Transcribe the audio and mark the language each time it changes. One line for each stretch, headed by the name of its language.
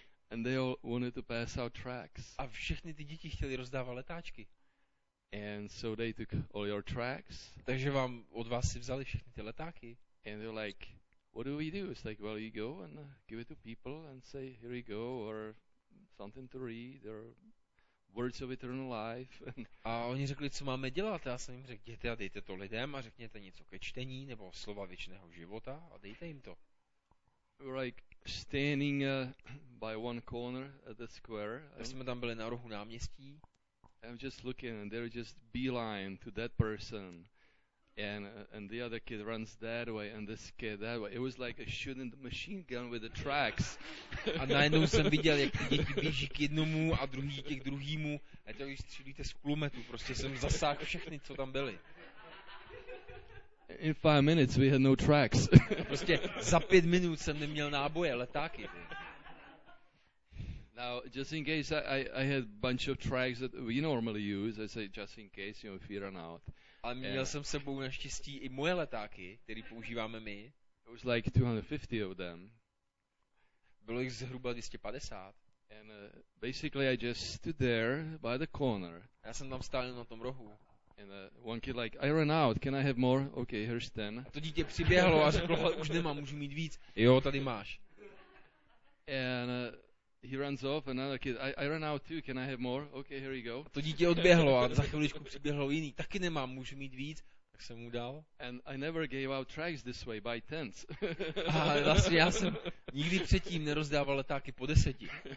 English: And they all wanted to pass out tracks.
Czech: A všechny ty děti chtěli rozdávat letáčky.
English: And so they took all your tracks.
Czech: Takže vám od vás si vzali všechny ty letáky.
English: And they're like, what do we do? It's like, well, you go and give it to people and say, here you go, or something to read, or words of eternal life.
Czech: A oni řekli, co máme dělat? Já jsem jim řekl, jděte a dejte to lidem a řekněte něco ke čtení nebo slova věčného života a dejte jim to.
English: We're like standing by one corner at the square.
Czech: Tak jsme tam byli na rohu náměstí.
English: I'm just looking and they're just beeline to that person. And the other kid runs that way and this kid that way. It was like a shooting the machine gun with the tracks.
Czech: A najednou jsem viděl, jak ty děti běží k jednomu a druhý k druhýmu. A to když střílíte z kulometu, prostě jsem zasáhl všechny, co tam byli.
English: In 5 minutes we had no tracks.
Czech: Prostě za 5 minut jsem neměl náboje, letáky.
English: Now, just in case, I had a bunch of tracks that we normally use. I say, just in case, you know, if you run out.
Czech: Ale měl jsem s sebou naštěstí i moje letáky, které používáme my.
English: It was like 250 of them.
Czech: Bylo jich zhruba 250.
English: And basically, I just stood there by the corner.
Czech: Já jsem tam stál na tom rohu.
English: And one kid like, I ran out, can I have more? Okay, here's 10.
Czech: A to dítě přiběhlo a řeklo, už nemám, můžu mít víc. Jo, tady máš.
English: And he runs off, another kid, I ran out too, can I have more? Okay, here you go.
Czech: To dítě odběhlo a za chviličku přiběhlo jiný, taky nemám, můžu mít víc, tak jsem mu dal.
English: And I never gave out tracks this way, by tens.
Czech: A vlastně já jsem nikdy předtím nerozdával letáky po deseti.